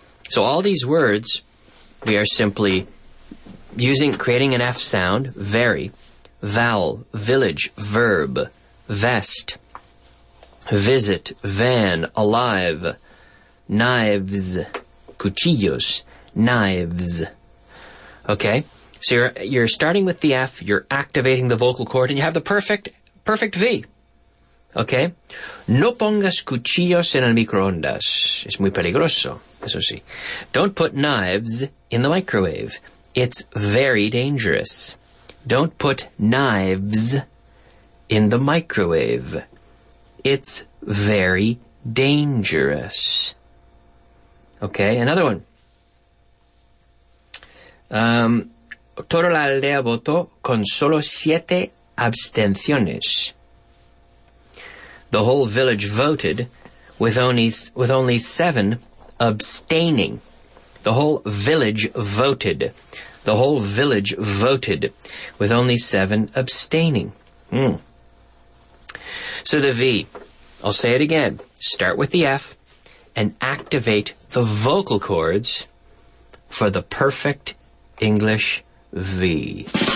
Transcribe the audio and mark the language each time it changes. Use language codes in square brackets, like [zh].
[en] So all these words, we are simply using, creating an F sound, very, vowel, village, verb, vest, visit, van, alive, knives, cuchillos, knives. Okay, so you're starting with the F, you're activating the vocal cord, and you have the perfect V. Okay? [es] No pongas cuchillos en el microondas. Es muy peligroso. Eso sí. [en] Don't put knives in the microwave. It's very dangerous. Don't put knives in the microwave. It's very dangerous. Okay? Another one. [es] Toda la aldea votó con solo 7 abstenciones. [en] The whole village voted with only 7 abstaining. The whole village voted. The whole village voted with only 7 abstaining. So the V, I'll say it again. Start with the F and activate the vocal cords for the perfect English V.